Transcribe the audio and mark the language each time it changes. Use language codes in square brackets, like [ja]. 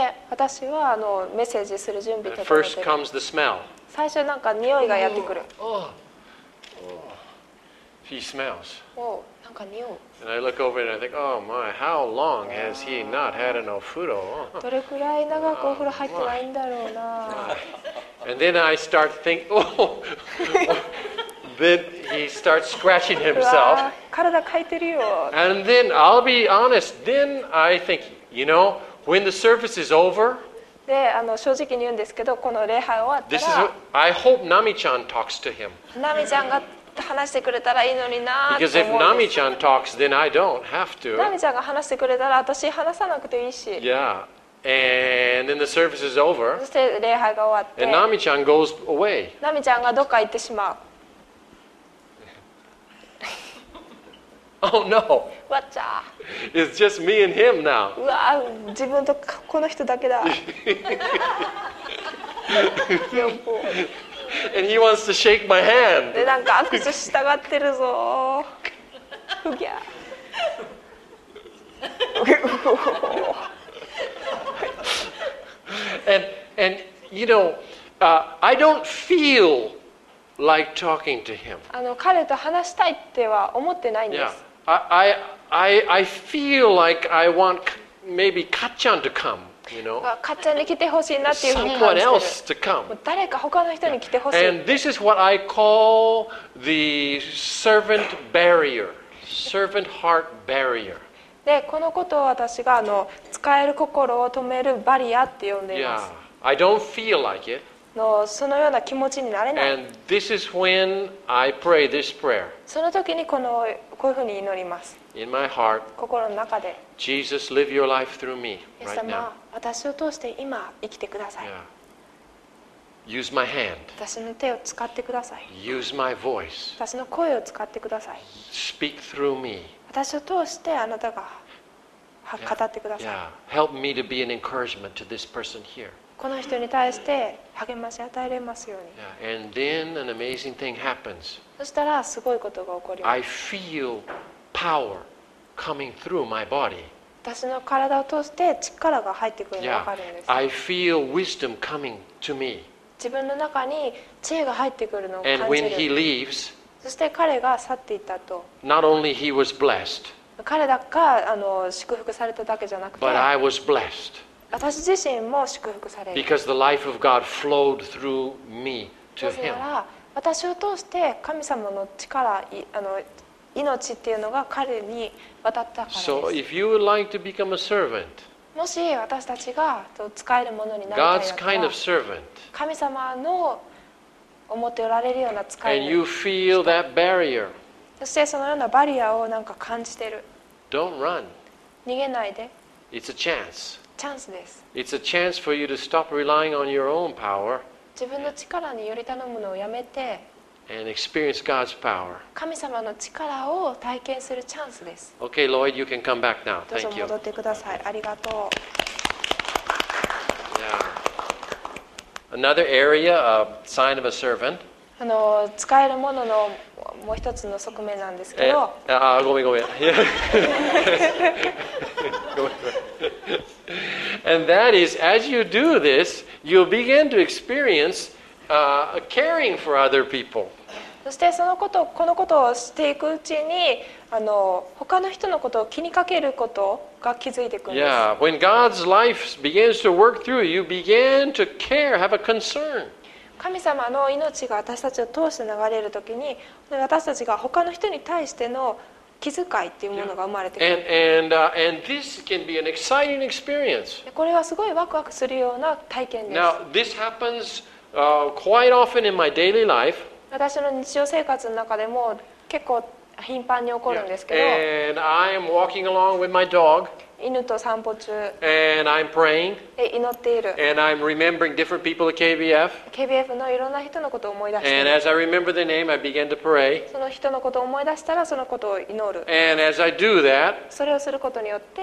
[ja] 私はメッセージする準備を整えている。 [en] First comes the smell. [ja] 最初なんか匂いがやってくる。 [en] He smells. [ja] なんか匂い。 [en] And I look over and I think, oh my, how long has he not had an ofuro? [ja] どれくらい長くお風呂入ってないんだろうな。 [en] And then I start think, oh. Then he starts scratching himself. [ja] 体かいてるよ。 [en] And then I'll be honest. Then I think. You know, when the service is over, [ja] で正直に言うんですけど、この礼拝終わったら、 [en] I hope Nami-chan talks to him. [ja] Nami-chan が話してくれたらいいのにな。 [en] Because if Nami-chan talks, then I don't have to. [ja] Nami-chan が話してくれたら、私話さなくていいし。 [en] Yeah, and then the service is over. [ja] そして礼拝が終わって、 [en] and Nami-chan goes away. [ja] Nami-chan がどっか行ってしまう。 [en] Oh no! What's up? It's just me and him now. [ja] うわ、自分とこの人だけだ。 [en] And he wants to shake my hand. [ja] で、なんか握手したがってるぞ。ふぎゃ。 [en] And you know, I don't feel like talking to him. [ja] 彼と話したいっては思ってないんです。 [en] Yeah. I feel like I want maybe Kat-chan to come, you know. [ja] Kat-chan に来てほしいなっていうふうに感じてる。 [en] Someone else to come. [ja] 誰か他の人に来てほしい。 [en] And this is what I call the servant barrier, servant heart barrier. [ja] で、このことを私が使える心を止めるバリアって呼んでいます。 [en] Yeah, I don't feel like it. [ja] そのような気持ちになれない。 [en] And this is when I pray this prayer. [ja] その時にこういうふうに祈ります。 [en] In my heart, [ja] 心の中で。 [en] Jesus, live your life through me right now. [ja] イエス様、私を通して今生きてください。 [en] Yeah. Use my hand. [ja] 私の手を使ってください。 [en] Use my voice. [ja] 私の声を使ってください。 [en] Speak through me. [ja] 私を通してあなたが語ってください。 [en] Yeah. Help me to be an encouragement to this person here. [ja] この人に対して励まし与えれますように。 [en] Yeah. And then an amazing thing happens. [ja] そしたらすごいことが起こります。 [en] I feel power coming through my body. [ja] 私の体を通して力が入ってくるのが分かるんです。 [en] Yeah. I feel wisdom coming to me. [ja] 自分の中に知恵が入ってくるのを感じる。 [en] And when he leaves, [ja] そして彼が去っていったと。 [en] Not only he was blessed, [ja] 彼だけが祝福されただけじゃなくて、 [en] but I was blessed. [ja] 私自身も祝福される。 [en] Because the life of God flowed through me to him. [ja] なぜなら私を通して神様の力、命っていうのが彼に渡ったからです。 [en] So if you would like to become a servant, [ja] もし私たちが使えるものになるような、神様の思っておられるような使える人、 [en] and you feel that barrier, [ja] そしてそのようなバリアをなんか感じてる。 [en] Don't run. [ja] 逃げないで。 [en] It's a chance. [ja] チャンスです。 [en] It's a chance for you to stop relying on your own power. [ja] 自分の力により頼むのをやめて。 [en] And experience God's power. [ja] 神様の力を体験するチャンスです。 [en] Okay, Lloyd, you can come back now. Thank you. [ja] どうぞ戻ってください。ありがとう。 [en] Yeah. Another area, a sign of a servant. [ja] 使えるもののもう一つの側面なんですけど。ごめん。 [en] And that is, as you do this, you'll begin to experience, caring for other people. [ja] そしてそのこと、このことをしていくうちに、他の人のことを気にかけることが気づいてくるんです。 [en] Yeah, when God's life begins to work through you, you begin to care, have a concern. [ja] 神様の命が私たちを通して流れるときに、私たちが他の人に対しての気遣いっていうものが生まれてくる。 [en] Yeah. And this can be an exciting experience. [ja] これはすごいワクワクするような体験です。 [en] Now, this happens, quite often in my daily life. [ja] 私の日常生活の中でも結構頻繁に起こるんですけど、 [en] And I am walking along with my dog, [ja] 犬と散歩中、 [en] And I'm praying, [ja] 祈っている、 [en] And I'm remembering different people at KBF, [ja] KBF のいろんな人のことを思い出して、 [en] And as I remember their name, I begin to pray, [ja] その人のことを思い出したらそのことを祈る、 [en] And as I do that, [ja] それをすることによって、